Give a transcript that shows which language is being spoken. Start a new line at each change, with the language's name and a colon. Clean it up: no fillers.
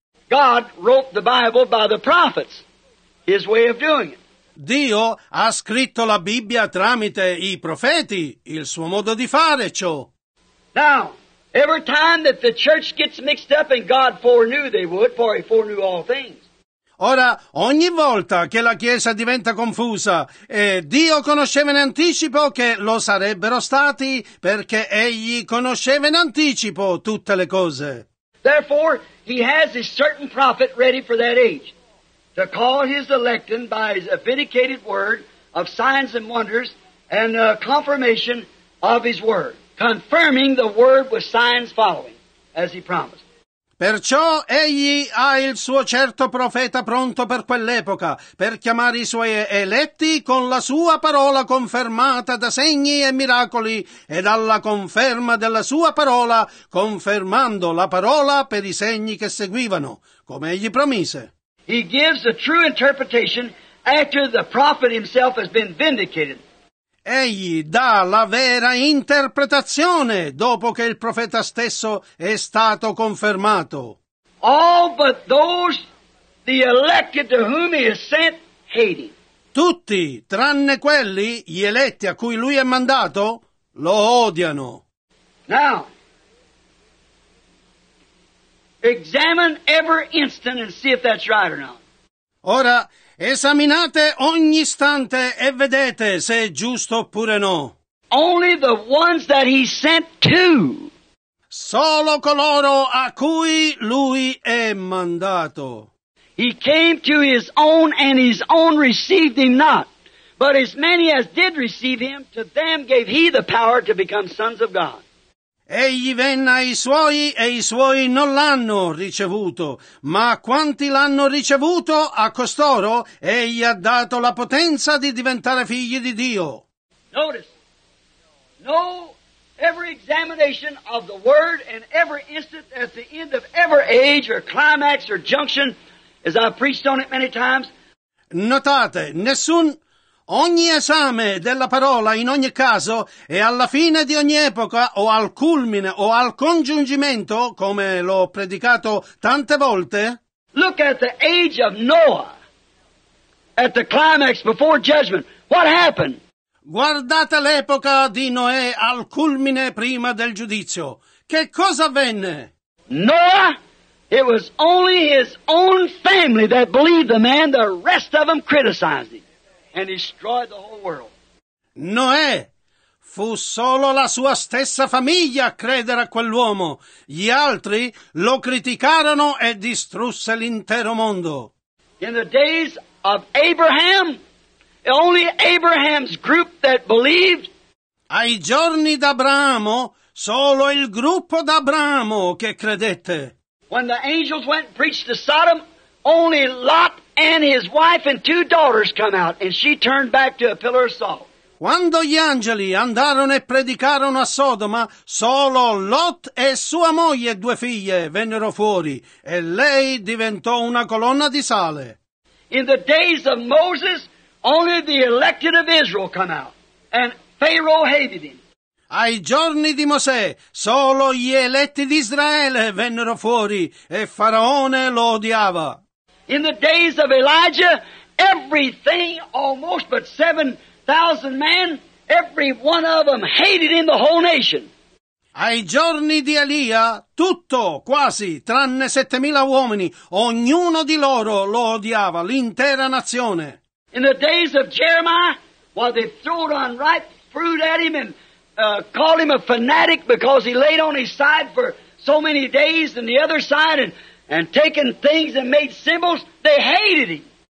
English: God wrote the Bible by the prophets, his way of doing it.
Italian: Dio ha scritto la Bibbia tramite i profeti, il suo modo di fare ciò.
English: Now, every time that the church gets mixed up and God foreknew they would, for he foreknew all things.
Italian: Ora, ogni volta che la Chiesa diventa confusa, Dio conosceva in anticipo che lo sarebbero stati, perché egli conosceva in anticipo tutte le cose.
English: Therefore, he has a certain prophet ready for that age, to call his electen by his authenticated word of signs and wonders and confirmation of his word. Confirming the word with signs following, as he promised.
Italian: Perciò egli ha il suo certo profeta pronto per quell'epoca, per chiamare i suoi eletti con la sua parola confermata da segni e miracoli, e dalla conferma della sua parola, confermando la parola per i segni che seguivano, come egli promise.
English: He gives a true interpretation after the prophet himself has been vindicated.
Italian: Egli dà la vera interpretazione dopo che il profeta stesso è stato confermato.
English: All but those the elected to whom he has sent hate him.
Italian: Tutti, tranne quelli, gli eletti a cui lui è mandato, lo odiano.
English: Now, examine every instant and see if that's right or not.
Italian: Ora, esaminate ogni istante e vedete se è giusto oppure no.
English: Only the ones that he sent to.
Italian: Solo coloro a cui lui è mandato.
English: He came to his own and his own received him not. But as many as did receive him, to them gave he the power to become sons of God.
Italian: Egli venne ai suoi e i suoi non l'hanno ricevuto, ma quanti l'hanno ricevuto, a costoro egli ha dato la potenza di diventare figli di Dio.
English: Notice, no, every examination of the word and every instant at the end of every age or climax or junction, as I've preached on it many times.
Italian: Notate, ogni esame della parola in ogni caso è alla fine di ogni epoca o al culmine o al congiungimento, come l'ho predicato tante volte.
English: Look at the age of Noah. at the climax before judgment. What happened?
Italian: Guardate l'epoca di Noè al culmine prima del giudizio. Che cosa avvenne?
English: Noah, it was only his own family that believed the man. The rest of them criticized him and destroyed the whole world.
Italian: Noè, fu solo la sua stessa famiglia a credere a quell'uomo. Gli altri lo criticarono e distrusse l'intero mondo.
English: In the days of Abraham, only Abraham's group that believed.
Italian: Ai giorni d'Abramo, solo il gruppo d'Abramo che credette.
English: When the angels went and preached to Sodom, only Lot and his wife and two daughters come out, and she turned back to a pillar of salt.
Italian: Quando gli angeli andarono e predicarono a Sodoma, solo Lot e sua moglie e due figlie vennero fuori, e lei diventò una colonna di sale.
English: In the days of Moses, only the elected of Israel come out, and Pharaoh hated him.
Italian: Ai giorni di Mosè, solo gli eletti di Israele vennero fuori e Faraone lo odiava.
English: In the days of Elijah, everything almost but 7,000 men, every one of them hated him, the whole nation.
Italian: Ai giorni di Elia, tutto, quasi, tranne 7,000 uomini, ognuno di loro lo odiava, l'intera nazione.
English: In the days of Jeremiah, while they threw unripe fruit at him and called him a fanatic because he laid on his side for so many days and the other side and taken things and made symbols, they hated him.